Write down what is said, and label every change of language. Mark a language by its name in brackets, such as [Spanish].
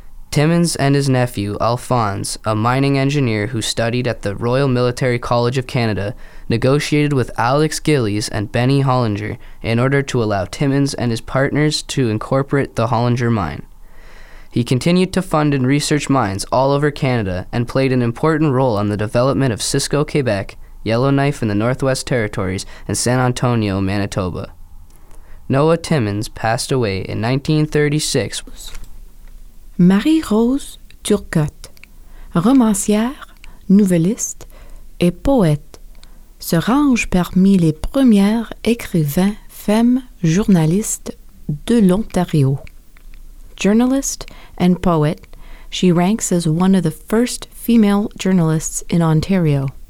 [English] Timmins and his nephew, Alphonse, a mining engineer who studied at the Royal Military College of Canada, negotiated with Alex Gillies and Benny Hollinger in order to allow Timmins and his partners to incorporate the Hollinger mine. He continued to fund and research mines all over Canada and played an important role on the development of Cisco, Quebec, Yellowknife in the Northwest Territories, and San Antonio, Manitoba. Noah Timmins passed away in 1936. [French] Marie-Rose Turcotte, romancière, nouvelliste et poète, se range parmi les premières écrivaines femmes journalistes de l'Ontario. [English] journalist and poet, she ranks as one of the first female journalists in Ontario.